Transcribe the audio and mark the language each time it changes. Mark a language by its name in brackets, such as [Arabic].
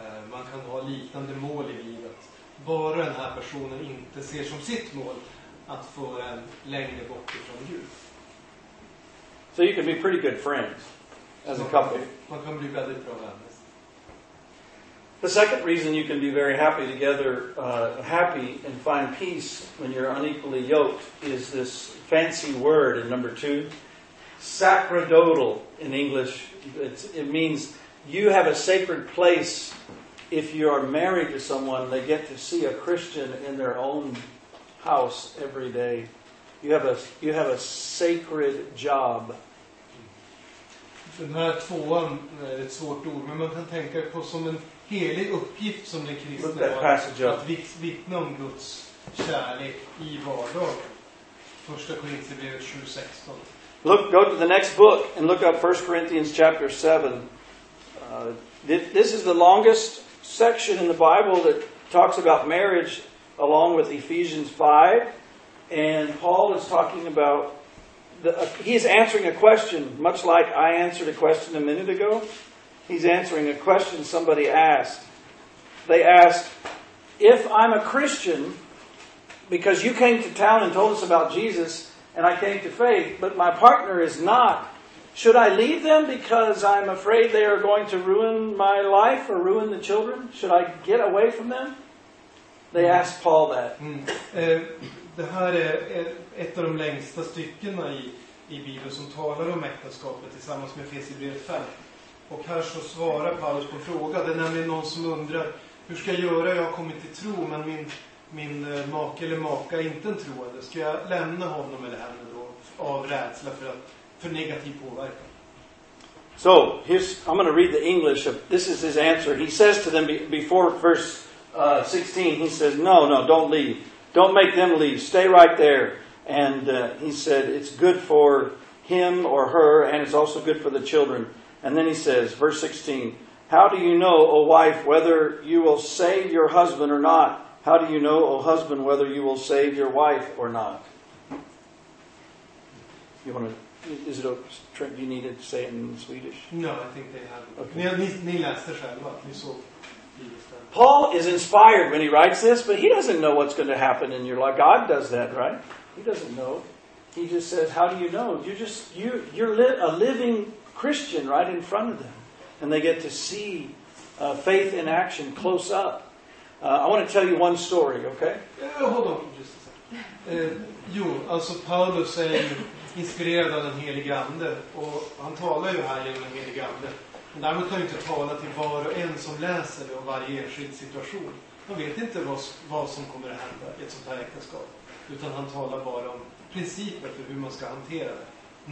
[Swedish] Man kan ha liknande mål i livet. Bara den här personen inte ser som sitt mål att få en längre bort ifrån Gud. [English] So you can be pretty good friends as a couple. [Swedish] Man kan bli väldigt bra vänner. [English] The second reason you can be very happy together, happy and find peace when you're unequally yoked, is this fancy word in number 2, sacerdotal in English. It means you have a sacred place. If you are married to someone, they get to see a Christian in their own house every day. You have a sacred job. [Swedish] Den här tvåan är ett svårt ord, men man kan tänka på som en helig uppgift som den kristna har, att vittna om Guds kärlek i vardagen. 1 Korinthierbrevet 7:16. [English] Look, go to the next book and look up 1 Corinthians chapter 7. This is the longest section in the Bible that talks about marriage, along with Ephesians 5, and Paul is talking about he's answering a question, much like I answered a question a minute ago. He's answering a question somebody asked. They asked, if I'm a Christian, because you came to town and told us about Jesus, and I came to faith, but my partner is not, should I leave them because I'm afraid they are going to ruin my life or ruin the children? Should I get away from them? They asked Paul that. [Swedish] Det här är ett av de längsta styckena i Bibeln som talar om äktenskapet tillsammans med Efesierbrevet 5. Och här så svarar Paulus på en fråga. Det är nämligen någon som undrar, hur ska jag göra? Jag har kommit till tro, men min make eller maka är inte en troende. Ska jag lämna honom eller henne då av rädsla för negativ påverkan? [English] So, I'm going to read the English. This is his answer. He says to them before verse 16, he says, no, don't leave. Don't make them leave. Stay right there. And he said, it's good for him or her, and it's also good for the children. And then he says, verse 16, how do you know, O wife, whether you will save your husband or not? How do you know, O husband, whether you will save your wife or not? You want to, is it a, do you need to say it in Swedish? No, I think they have. Okay. [Swedish] Ni läste själva, ni såg. [English] Paul is inspired when he writes this, but he doesn't know what's going to happen in your life. God does that, right? He doesn't know. He just says, how do you know? You're a living Christian right in front of them. And they get to see faith in action close up. I want to tell you one story, okay? Hold on just a second. [Swedish] Alltså Paulus är inspirerad av den helige ande. Och han talar ju här genom den helige ande. Men därmed kan ju inte tala till var och en som läser det om varje enskild situation. Han vet inte vad som kommer att hända i ett sånt här äktenskap. Utan han talar bara om principer för hur man ska hantera det.